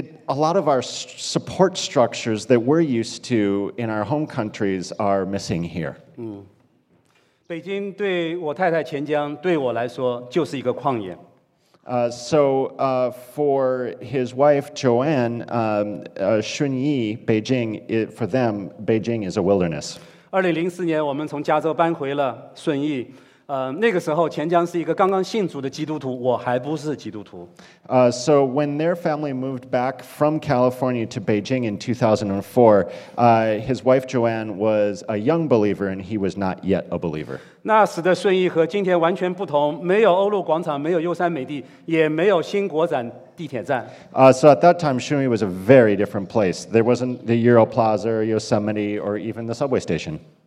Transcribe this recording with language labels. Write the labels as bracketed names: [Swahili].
[English] A lot of our support structures that we're used to in our home countries are missing here. [Chinese] 北京对我太太钱江对我来说就是一个旷野。 [English] For his wife, Joanne, Shunyi, Beijing, for them, Beijing is a wilderness. [Chinese] 2004年我们从加州搬回了顺义。那个时候钱江是一个刚刚信主的基督徒，我还不是基督徒。 [English] So when their family moved back from California to Beijing in 2004, his wife Joanne was a young believer and he was not yet a believer. [Chinese] 那时的顺义和今天完全不同，没有欧陆广场，没有优山美地，也没有新国展地铁站。 [English] So at that time, Shunyi was a very different place. There wasn't the Euro Plaza, Yosemite, or even the subway station.